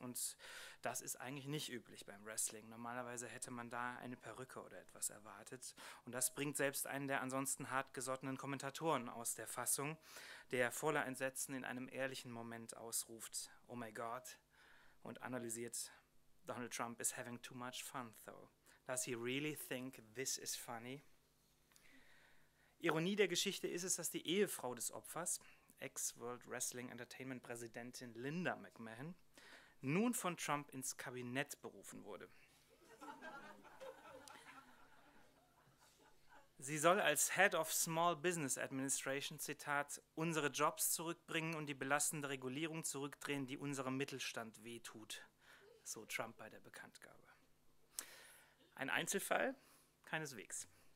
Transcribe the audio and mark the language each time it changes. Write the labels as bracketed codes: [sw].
[de] Und das ist eigentlich nicht üblich beim Wrestling. Normalerweise hätte man da eine Perücke oder etwas erwartet. Und das bringt selbst einen der ansonsten hartgesottenen Kommentatoren aus der Fassung, der voller Entsetzen in einem ehrlichen Moment ausruft, [en] oh my God, [de] und analysiert, [en] Donald Trump is having too much fun though. Does he really think this is funny? [de] Ironie der Geschichte ist es, dass die Ehefrau des Opfers, Ex-World Wrestling Entertainment-Präsidentin Linda McMahon, nun von Trump ins Kabinett berufen wurde. Sie soll als Head of Small Business Administration, Zitat, unsere Jobs zurückbringen und die belastende Regulierung zurückdrehen, die unserem Mittelstand wehtut, so Trump bei der Bekanntgabe. Ein Einzelfall? Keineswegs.